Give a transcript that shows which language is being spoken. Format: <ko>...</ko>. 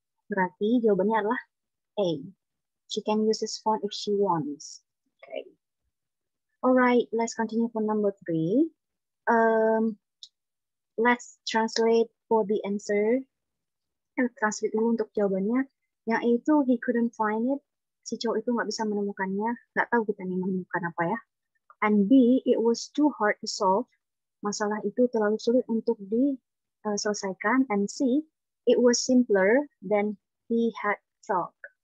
<id>Berarti jawabannya adalah A,</id> <en>she can use his phone if she wants. Okay. Alright, let's continue for number 3. Let's translate for the answer. Let's translate</en> <id>dulu untuk jawabannya. Yang A itu,</id> <en>he couldn't find it.</en> <id>Si cowok itu nggak bisa menemukannya. Nggak tahu kita nih menemukan apa ya.</id> <en>And B, it was too hard to solve.</en> <id>Masalah itu terlalu sulit untuk diselesaikan.</id> <en>And C, it was simpler than he had thought.</en>